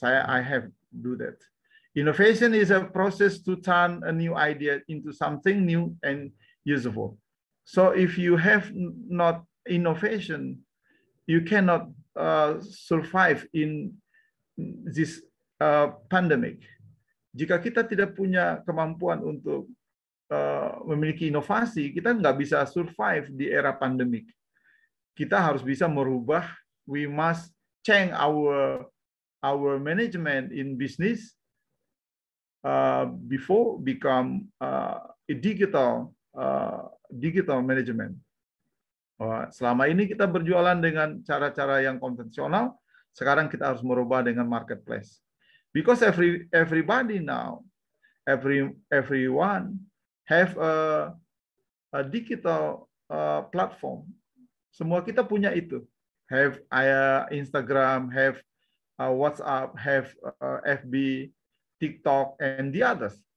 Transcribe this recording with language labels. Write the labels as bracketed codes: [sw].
[en] I have do that. Innovation is a process to turn a new idea into something new and usable. So if you have not innovation, you cannot survive in this pandemic. [id] Jika kita tidak punya kemampuan untuk memiliki inovasi, kita nggak bisa survive di era pandemic. Kita harus bisa merubah [en] we must change our management in business before become a digital management. [id] Selama ini kita berjualan dengan cara-cara yang konvensional, sekarang kita harus merubah dengan marketplace. [en] Because everybody now, everyone have a digital platform. [id] Semua kita punya itu. [en] Have Instagram, have WhatsApp, have FB, TikTok, and the others.